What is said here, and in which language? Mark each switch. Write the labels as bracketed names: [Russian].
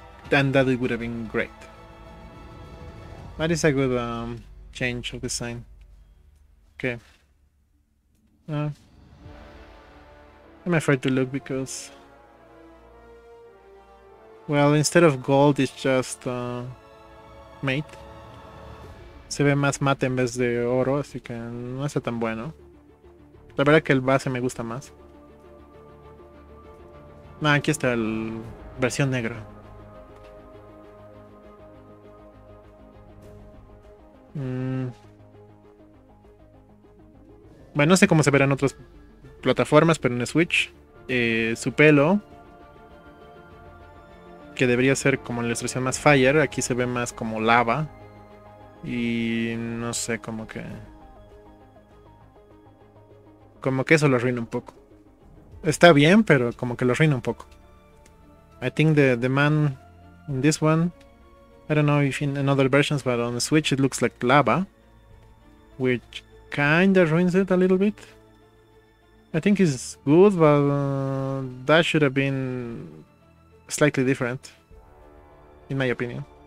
[English] And that would have been great. That is a good change of design. Okay. I'm afraid to look because, well, instead of gold, it's just mate. [Spanish] Se ve más mate en vez de oro, así que no está tan bueno. La verdad es que el base me gusta más. Nah, aquí está el versión negra. Bueno, no sé cómo se verán otras plataformas, pero en Switch, su pelo, que debería ser como en la ilustración más fire, aquí se ve más como lava. Y no sé, como que eso lo arruina un poco. Está bien, pero como que lo arruina un poco. [English] I think the man in this one, I don't know if in other versions, but on the Switch it looks like lava, which kinda ruins it a little bit. I think it's good, but that should have been slightly different, in my opinion.